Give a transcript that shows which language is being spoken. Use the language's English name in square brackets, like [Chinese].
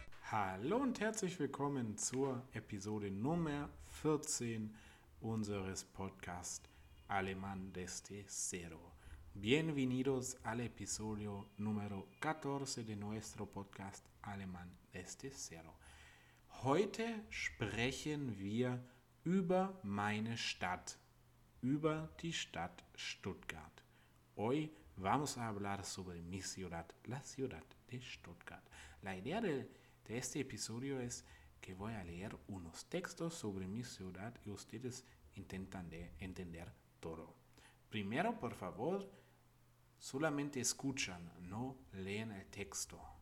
[German] Hallo und herzlich willkommen zur Episode Nummer 14 unseres Podcasts Alemán desde Cero. [Spanish] Bienvenidos al episodio número 14 de nuestro podcast Alemán desde Cero. [German] Heute sprechen wir über meine Stadt, über die Stadt Stuttgart. [Spanish] Hoy vamos a hablar sobre mi ciudad, la ciudad de Stuttgart. La idea de este episodio es que voy a leer unos textos sobre mi ciudad y ustedes intentan de entender todo. Primero, por favor, solamente escuchan, no leen el texto.